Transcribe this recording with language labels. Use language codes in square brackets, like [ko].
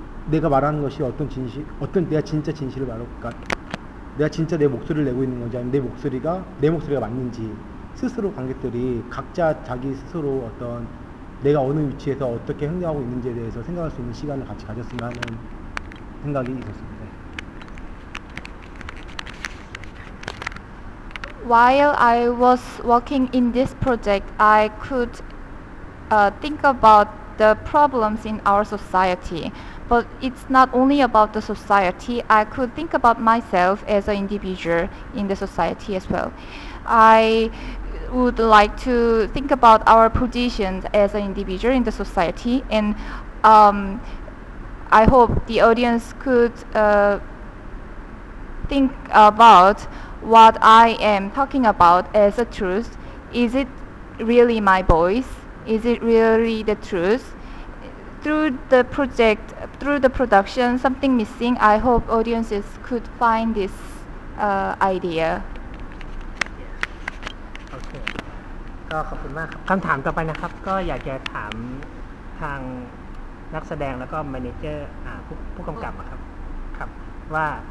[ko] 내가 말하는 것이 어떤 진실 어떤 내가 진짜 진실을 말하고 그러니까 내가 진짜 내 목소리를 내고 있는 건지 아니면 내 목소리가 맞는지 스스로 관객들이 각자 자기 스스로 어떤 내가 어느 위치에서 어떻게 행동하고 있는지에 대해서 생각할 수 있는 시간을 같이 가졌으면 하는 생각이 있었습니다. [en] While I was working in this project, I could think about the problems in our society. But it's not only about the society. I could think about myself as an individual in the society as well. I would like to think about our positions as an individual in the society, and I hope the audience could think about what I am talking about as a truth. Is it really my voice? Is it really the truth? Through the project, through the production, something missing, I hope audiences could find this idea. [th] ก็ขอบคุณมากครับคำถามต่อไปนะครับก็อยากจะถามทางนักแสดงแล้วก็แมเนเจอร์ผู้กำกับครับครับว่า